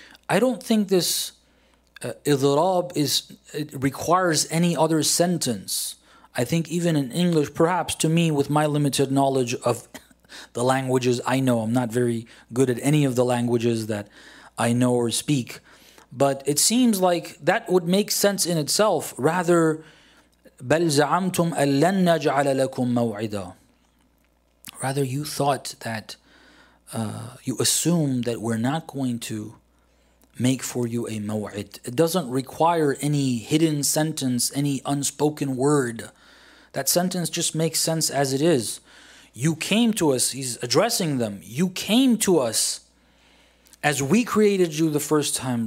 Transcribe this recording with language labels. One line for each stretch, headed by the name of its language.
English: I don't think this idrab is, it requires any other sentence. I think even in English, perhaps to me, with my limited knowledge of the languages I know, I'm not very good at any of the languages that I know or speak, but it seems like that would make sense in itself. Rather,
Arabic: بَلْ زَعَمْتُمْ أَلَّنْ نَجْعَلَ لَكُمْ مَوْعِدًا.
English: Rather, you thought that, you assume that we're not going to make for you a maw'id. It doesn't require any hidden sentence, any unspoken word. That sentence just makes sense as it is. You came to us, he's addressing them, you came to us as we created you the first time.